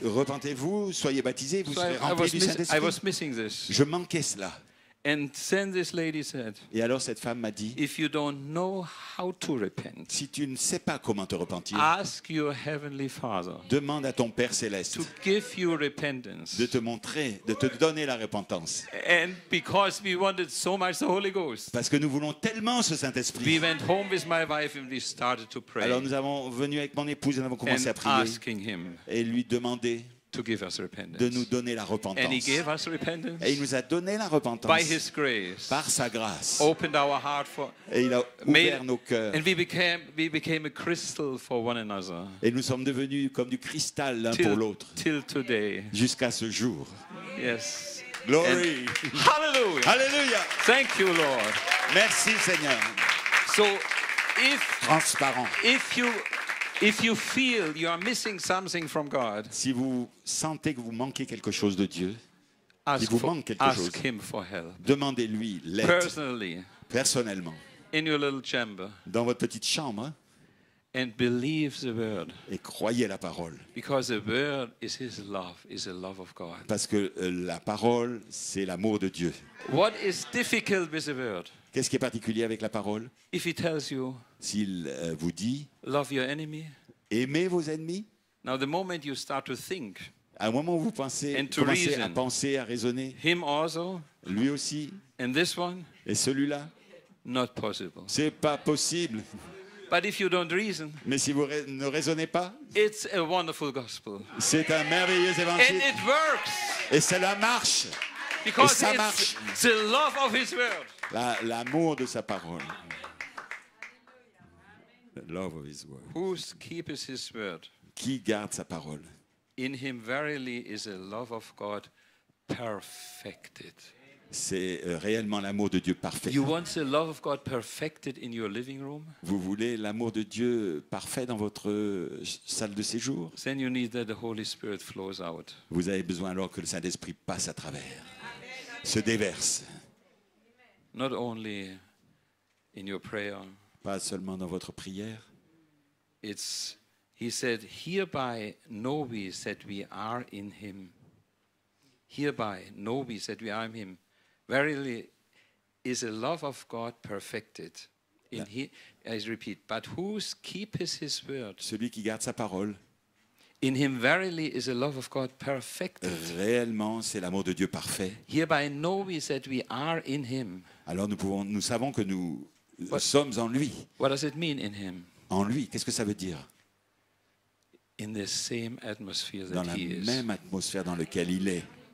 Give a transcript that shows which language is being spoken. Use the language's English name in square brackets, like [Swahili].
[French] Repentez-vous, soyez baptisés, vous serez remplis du Saint-Esprit. [English] I was missing this. [French] Je manquais cela. [English] And then this lady said, [French] et alors cette femme m'a dit, [English] if you don't know how to repent, [French] si tu ne sais pas comment te repentir, [English] ask your heavenly Father, [French] demande à ton Père céleste [English] to give you repentance, [French] de te montrer, de te donner la repentance. [English] And because we wanted so much the Holy Ghost, [French] parce que nous voulons tellement ce Saint-Esprit, [English] we went home with my wife and we started to pray, [French] alors nous avons venu avec mon épouse et nous avons commencé [English] and [French] à prier [English] asking him, [French] et lui demander [English] to give us repentance. [French] De nous donner la repentance. [English] And he gave us repentance. [French] Et il nous a donné la repentance. [English] By his grace. [French] Par sa grâce. [English] Opened our heart for. [French] Et il a ouvert nos cœurs. [English] And we became a crystal for one another. [French] Et nous sommes devenus comme du cristal l'un pour l'autre. [English] Till today. [French] Jusqu'à ce jour. [English] Yes. Glory. And hallelujah. Hallelujah. Thank you, Lord. [French] Merci, Seigneur. [English] So, if transparent. If you feel you are missing something from God, [French] si vous sentez que vous manquez quelque chose de Dieu, [English] ask him for help. [French] Demandez-lui l'aide. [English] Personally, [French] personnellement, [English] in your little chamber, [French] dans votre petite chambre, [English] and believe the word. [French] Et croyez la parole. [English] Because the word is his love, is the love of God. [French] Parce que la parole, c'est l'amour de Dieu. [English] What is difficult with the word? [French] Qu'est-ce qui est particulier avec la parole? [English] If he tells you, [French] s'il vous dit, [English] love your enemy, [French] aimez vos ennemis. [English] Now the moment you start to think, [French] à un moment où vous pensez, commencez à penser, à raisonner, [English] him also, [French] lui aussi, [English] and this one, [French] et celui-là, [English] not possible. [French] C'est pas possible. [English] But if you don't reason, [French] mais si vous ne raisonnez pas, [English] it's a wonderful gospel. [French] C'est un merveilleux évangile. [English] And it works. [French] Et cela marche. [English] Because [French] et ça marche. [English] It's the love of his word. [French] L'amour de sa parole. [English] Love of his word. Who keeps his word? [French] Qui garde sa parole? [English] In him verily is the love of God perfected. [French] C'est réellement l'amour de Dieu parfait. [English] You want the love of God perfected in your living room? [French] Vous voulez l'amour de Dieu parfait dans votre salle de séjour? [English] Then you need that the Holy Spirit flows out. [French] Vous avez besoin alors que le Saint-Esprit passe à travers. Amen. Se déverse. [English] Not only in your prayer. [French] Pas seulement dans votre prière. [English] It's, he said, hereby know we that we are in him. Hereby know we that we are in him. Verily is the love of God perfected. In he, I repeat, but who keeps his word? [French] Celui qui garde sa parole. [English] In him verily is the love of God perfected. [French] Réellement, c'est l'amour de Dieu parfait. [English] Hereby know we that we are in him. [French] Alors nous savons que nous sommes en lui. [English] What does it mean in him? [French] En lui, qu'est-ce que ça veut dire? [English] In the same atmosphere that [French] dans [English] he is. [French] Dans la même atmosphère dans laquelle il est.